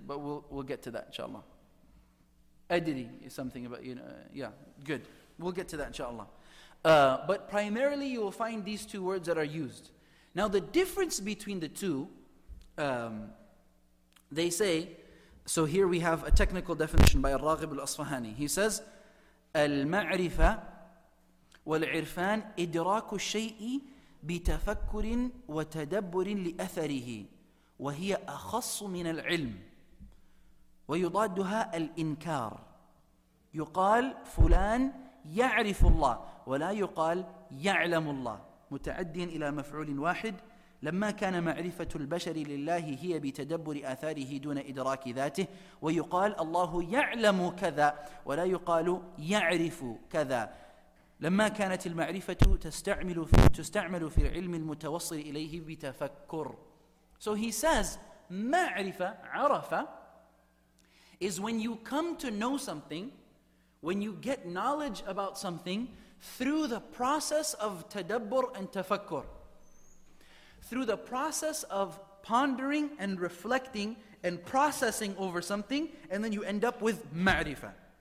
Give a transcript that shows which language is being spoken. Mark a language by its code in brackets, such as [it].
[en] But we'll get to that, inshallah. Adri is something about, you know, yeah, good. We'll get to that, inshallah. But primarily, you will find these two words that are used. Now, the difference between the two, they say, so here we have a technical definition by Al-Raghib al-Asfahani. He says, [ar] Al-Ma'rifa wal-Irfan idraku shay'i bitafakkurin wa tadabburin li-atharihi wa hiya akhassu min al-ilm wa yudadduha al-inkar yuqal fulan يعرف الله ولا يقال يعلم الله متعديا إلى مفعول واحد لما كان معرفة البشر لله هي بتدبر آثاره دون إدراك ذاته ويقال الله يعلم كذا ولا يقال يعرف كذا لما كانت المعرفة تستعمل في العلم المتوصل إليه بتفكر. [en] So he says معرفة عرفة is when you come to know something, when you get knowledge about something through the process of tadabbur and tafakkur, through the process of pondering and reflecting and processing over something, and then you end up with ma'rifah.